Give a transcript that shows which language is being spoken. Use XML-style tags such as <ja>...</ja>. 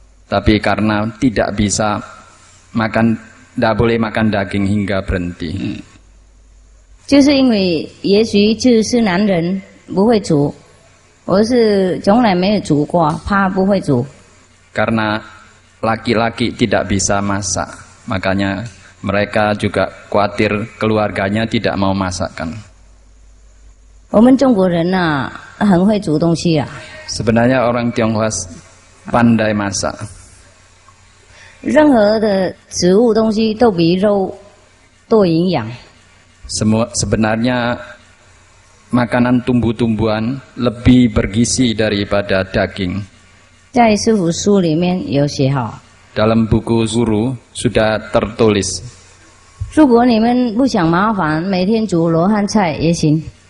<id>Tapi karena tidak bisa makan, tidak boleh makan daging hingga berhenti.</id> <zh>就是因为也许就是男人不会煮，我是从来没有煮过，怕不会煮。</zh> <id>Karena laki-laki tidak bisa masak, makanya mereka juga khawatir keluarganya tidak mau masakkan.</id> <zh>我们中国人啊，很会煮东西啊。</zh> <id>Sebenarnya orang Tionghoa pandai masak.</id> <zh>任何的植物东西都比肉多营养.</zh> <id>Semua sebenarnya makanan tumbuh-tumbuhan lebih bergizi daripada daging.</id> <zh>在师父书里面有写好.</zh> <id>Dalam buku Zuru sudah tertulis.</id> <zh>如果你们不想麻烦，每天煮罗汉菜也行.</zh>